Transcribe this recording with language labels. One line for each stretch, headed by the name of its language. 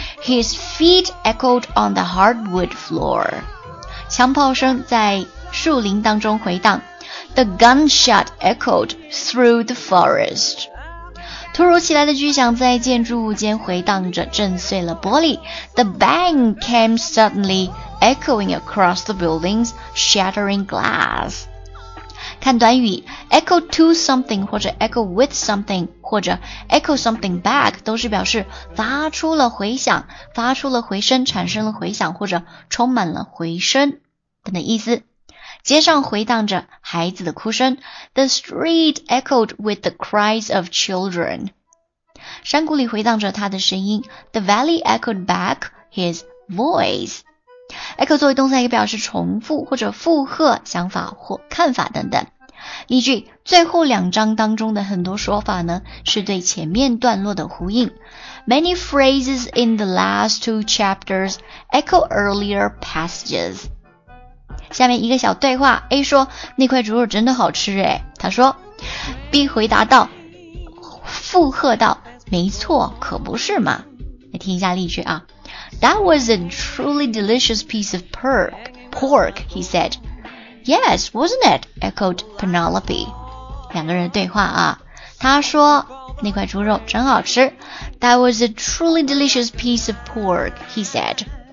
English: His feet echoed on the hardwood floor.
Chinese: 枪炮声在树林当中回荡。
English: The gunshot echoed through the forest.
Chinese: 突如其来的巨响在建筑物间回荡着，震碎了玻璃。
English: The bang came suddenly, echoing across the buildings, shattering glass.
Chinese: 看短语 ,echo to something, 或者 echo with something, 或者 echo something back, 都是表示发出了回响，发出了回声，产生了回响，或者充满了回声等等意思。街上回荡着孩子的哭声。
English: The street echoed with the cries of children.
Chinese: 山谷里回荡着他的声音。
English: The valley echoed back his voice.
Chinese: Echo 作为动词也表示重复或者附和想法或看法等等。例句，最后两章当中的很多说法呢，是对前面段落的呼应。
English: Many phrases in the last two chapters echo earlier passages.
Chinese: 下面一个小对话， A 说那块猪肉真的好吃耶，他说 B 回答道，附和道，没错，可不是嘛。来听一下例句啊。
English: That was a truly delicious piece of pork, he said. Yes, wasn't it? Echoed Penelope.
Chinese: 两个人对话啊，他说那块猪肉真好吃。
English: That was a truly delicious piece of pork, he said.